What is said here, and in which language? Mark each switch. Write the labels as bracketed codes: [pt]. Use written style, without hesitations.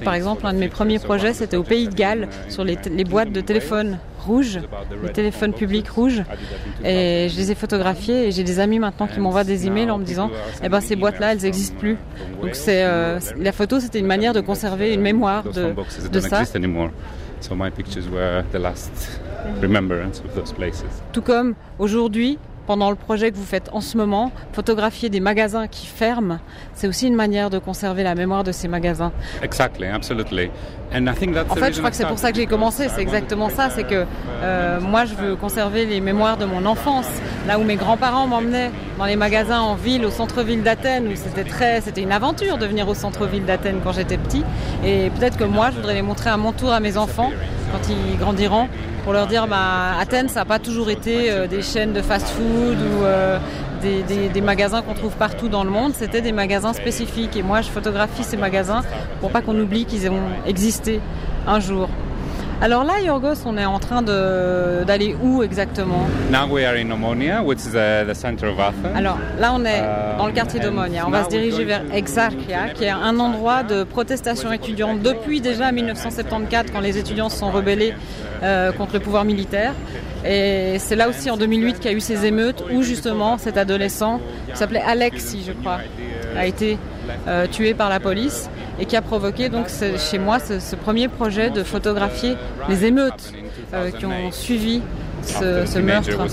[fr] Par exemple, un de mes premiers projets, c'était au Pays de Galles, sur les boîtes de téléphone rouge, les téléphones publics rouges, et je les ai photographiés et j'ai des amis maintenant qui m'envoient des emails en me disant, eh ben ces boîtes-là, elles n'existent plus. Donc c'est la photo, c'était une manière de conserver une mémoire de ça. [en] So my pictures were the last remembrance of those places. [fr] Tout comme aujourd'hui, pendant le projet que vous faites en ce moment, photographier des magasins qui ferment, c'est aussi une manière de conserver la mémoire de ces magasins. [en] Exactly, absolutely. And I think that's [fr] en fait, je crois que c'est pour ça que j'ai commencé. C'est exactement ça. C'est que moi, je veux conserver les mémoires de mon enfance, là où mes grands-parents m'emmenaient dans les magasins en ville, au centre-ville d'Athènes, où c'était une aventure de venir au centre-ville d'Athènes quand j'étais petit. Et peut-être que moi, je voudrais les montrer à mon tour à mes enfants quand ils grandiront, pour leur dire, bah, Athènes, ça n'a pas toujours été des chaînes de fast-food ou des magasins qu'on trouve partout dans le monde. C'était des magasins spécifiques. Et moi, je photographie ces magasins pour pas qu'on oublie qu'ils ont existé un jour. Alors là, Yorgos, on est en train d'aller où exactement? [en] Now we are in Omonia, which is the center of Athens. [fr] Alors là, on est dans le quartier d'Omonia. On va se diriger vers Exarchia, qui est un endroit de protestation étudiante depuis déjà 1974, quand les étudiants se sont rebellés contre le pouvoir militaire. Et c'est là aussi en 2008 qu'il y a eu ces émeutes, où justement cet adolescent, qui s'appelait Alexi, je crois, a été tué par la police et qui a provoqué donc chez moi ce premier projet de photographier les émeutes qui ont suivi ce meurtre.